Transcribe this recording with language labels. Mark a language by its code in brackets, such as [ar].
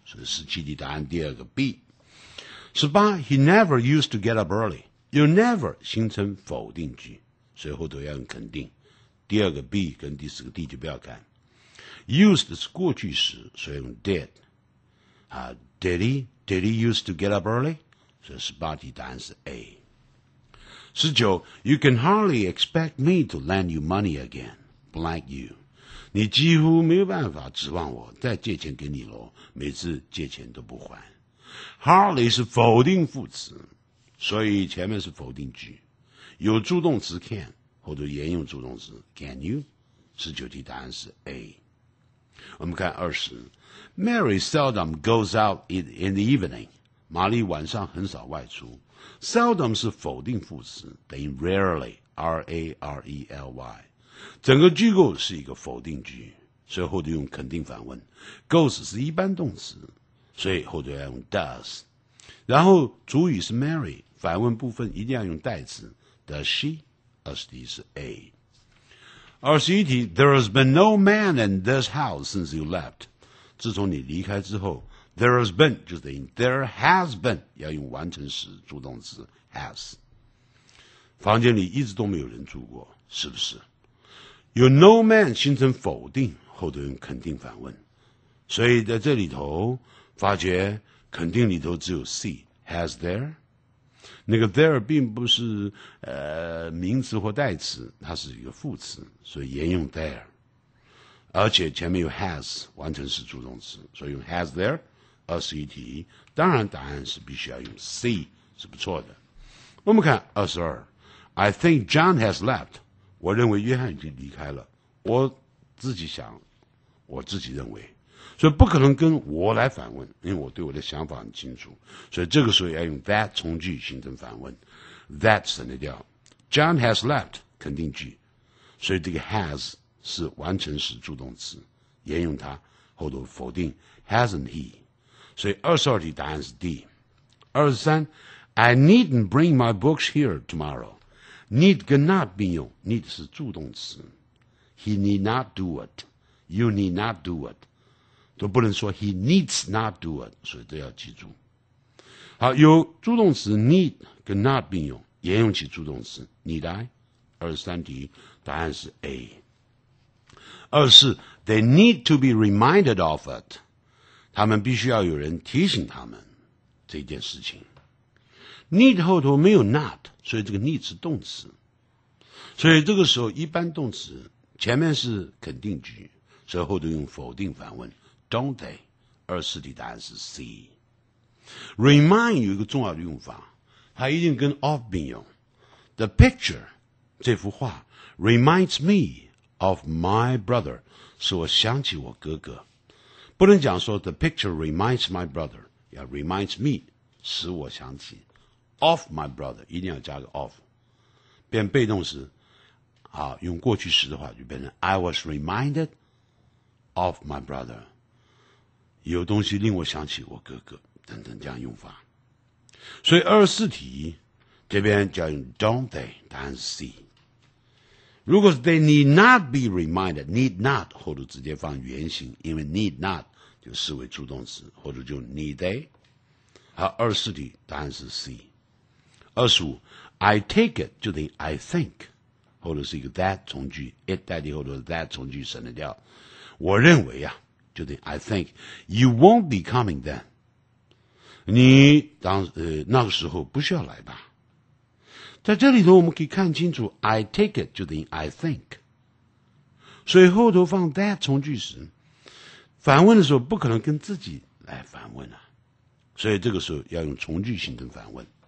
[zh] 所以十七题答案第二个 B。十八， [en] He never used to get up early， [zh] You never 形成否定句，所以后头要用肯定，第二个 B 跟第四个 D 就不要看。 used 是过去时，所以用 did。 [en] Did he use to get up early? [zh] 所以18题答案是 A。 [en] 19, you can hardly expect me to lend you money again, blank you. [zh] 你几乎没有办法指望我再借钱给你咯，每次借钱都不还。 Hardly 是否定副词，所以前面是否定句。有助动词 can, 或者沿用助动词 can you? 19题答案是 A。我们看20, [en] Mary seldom goes out in the evening. [zh] 玛丽晚上很少外出。 Seldom 是否定副词，等于 rarely, R-A-R-E-L-Y。整个句构是一个否定句，所以后头用肯定反问。 Goes 是一般动词，所以后头要用 does。然后主语是 Mary, 反问部分一定要用代词 ,does she? 20是 A。 [en] 21题 ,there has been no man in this house since you left. [zh] 自从你离开之后， [en] There has been, [zh] 就等于 there has been, 要用完成时助动词 has. 房间里一直都没有人住过，是不是？有 no man 形成否定，后头用肯定反问。所以在这里头，发觉肯定里头只有 C, has there? 那个 there 并不是名词或代词，它是一个副词，所以沿用 there。而且前面有 has, 完成时助动词，所以用 has there? 21题，当然答案是必须要用 C, 是不错的。我们看22 [en] I think John has left. [zh] 我认为约翰已经离开了。我自己想，我自己认为。所以不可能跟我来反问，因为我对我的想法很清楚。所以这个时候要用 that 从句形成反问。 That 省略掉。 John has left, 肯定句。所以这个 has 是完成时助动词，沿用它，后头否定 hasn't he? 所以22题答案是 D。 [en] 23, I needn't bring my books here tomorrow. Need 跟 not 并用， need [zh] 是助动词。 [en] He need not do it. You need not do it. [zh] 都不能说 [en] he needs not do it, [zh] 所以都要记住。好，有助动词 need 跟 not 并用，沿用起助动词 need I。 23题答案是 A。 [en] 24, they need to be reminded of it. [zh] 他们必须要有人提醒他们这件事情。 Need 后头没有 not, 所以这个 need 是动词。所以这个时候一般动词前面是肯定句，所以后头用否定反问 don't they? 24题答案是 C。Remind 有一个重要的用法，它一定跟 of 并用。 [en] The picture, [zh] 这幅画 [en] reminds me of my brother, [zh] 使我想起我哥哥。不能讲说 the picture reminds my brother, 要 reminds me, 使我想起 of my brother, 一定要加个 of, 变被动时用过去时的话就变成 [en] I was reminded of my brother, [zh] 有东西令我想起我哥哥等等这样用法。所以24题这边就要用 don't they, 答案是 C。如果是 [en] they need not be reminded, [zh] need not, 或者直接放原形，因为 need not 就视为助动词，或者就 need they。好，24题答案是 C。 25, I take it, 就等于 I think, 或者是一个 that 从句， it 代替后头 that 从句省得掉。我认为啊，就等于 [en] I think, you won't be coming then. [zh] 你当那个时候不需要来吧。在这里头我们可以看清楚 I take it 就等于 I think, 所以后头放 that 从句时反问的时候不可能跟自己来反问啊，所以这个时候要用从句形成反问。